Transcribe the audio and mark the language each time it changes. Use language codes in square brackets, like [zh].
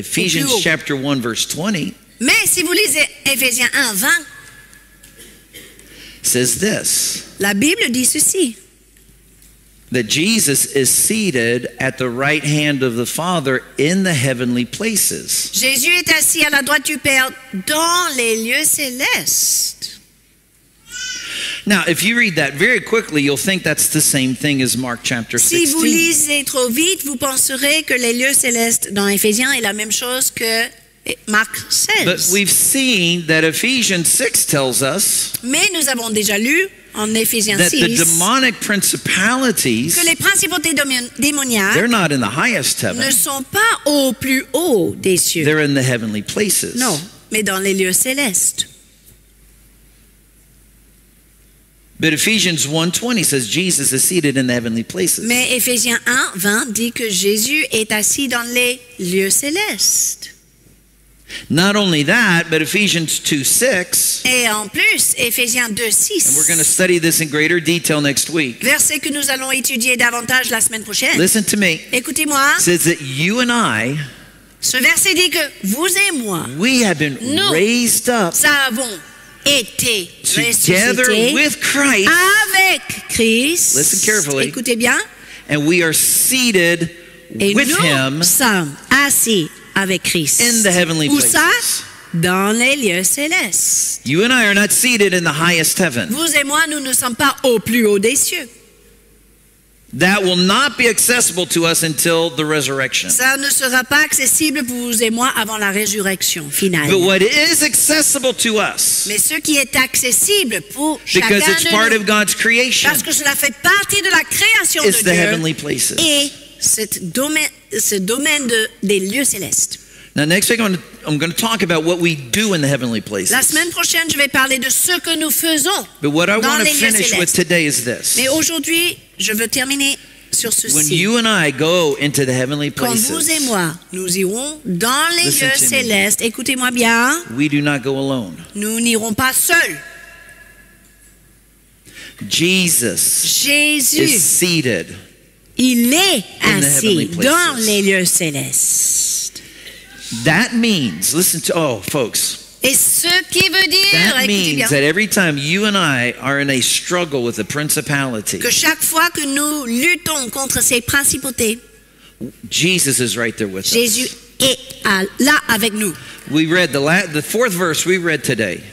[en] Ephesians chapter 1 verse 20. [fr] Mais si vous lisez Éphésiens 1 20. [en] Says this. [fr] La Bible dit ceci. [en] That Jesus is seated at the right hand of the Father in the heavenly places. [fr] Jésus est assis à la droite du Père dans les lieux célestes. [en] Now, if you read that very quickly, you'll think that's the same thing as Mark chapter 16. [fr] Si vous lisez trop vite, vous penserez que les lieux célestes dans Éphésiens est la même chose que Mark 16. [en] But we've seen that Ephesians 6 tells us. [fr] Mais nous avons déjà lu. En Éphésiens 6, [en] that the demonic principalities, [fr] que les principautés démoniaques [en] they're not in the highest heaven. [fr] Ne sont pas au plus haut des cieux. [en] They're in the heavenly places. [fr] Non, mais dans les lieux célestes. [en] But Ephesians 1:20 says Jesus is seated in the heavenly places. [fr] Mais Éphésiens 1:20 dit que Jésus est assis dans les lieux célestes. [en] Not only that, but Ephesians 2:6. [fr] Et en plus, Ephésiens 2:6. [en] And we're going to study this in greater detail next week. [fr] Verset que nous allons étudier davantage la semaine prochaine. [en] Listen to me. [fr] Écoutez-moi. [en] Says that you and I. [fr] Ce verset dit que vous et moi. [en] We have been [fr] nous [en] raised up. [fr] Nous avons été [en] together with Christ. [fr] Avec Christ. [en] Listen carefully. [fr] Écoutez bien. [en] And we are seated [fr] et [en] with [fr] nous [en] him. [fr] Sommes assis avec Christ. [en] In the heavenly [fr] où ça? Dans les lieux célestes. [en] You and I are not seated in the highest heaven. [fr] Vous et moi, nous ne sommes pas au plus haut des cieux. [en] That will not be accessible to us until the resurrection. [fr] Ça ne sera pas accessible pour vous et moi avant la résurrection finale. [en] But what is accessible to us? [fr] Mais ce qui est accessible pour chacun de nous. [en] Because it's part of God's creation. [fr] Parce que cela fait partie de la création de Dieu. [en] It's the heavenly places. [fr] Et ce domaine des lieux célestes. [en] Now next week I'm going to talk about what we do in the heavenly places. [fr] La semaine prochaine, je vais parler de ce que nous faisons. [en] But what I want to finish with today is this. [fr] Mais aujourd'hui, je veux terminer sur ceci. [en] When you and I go into the heavenly places. [fr] Quand vous et moi, nous irons dans les lieux célestes. Écoutez-moi bien. [en] We do not go alone. [fr] Nous n'irons pas seuls. [en] Jesus is seated. [fr] Il est assis dans les lieux célestes. [en] That means, listen to, oh, folks. [fr] Et ce qui veut dire, [en] that means that every time you and I are in a struggle with a principality, [fr] que chaque fois que nous luttons contre ces principautés, [en] Jesus is right there with [fr] Jésus [en] us. [fr] Jésus est là avec nous. [en] We read the fourth verse we read today.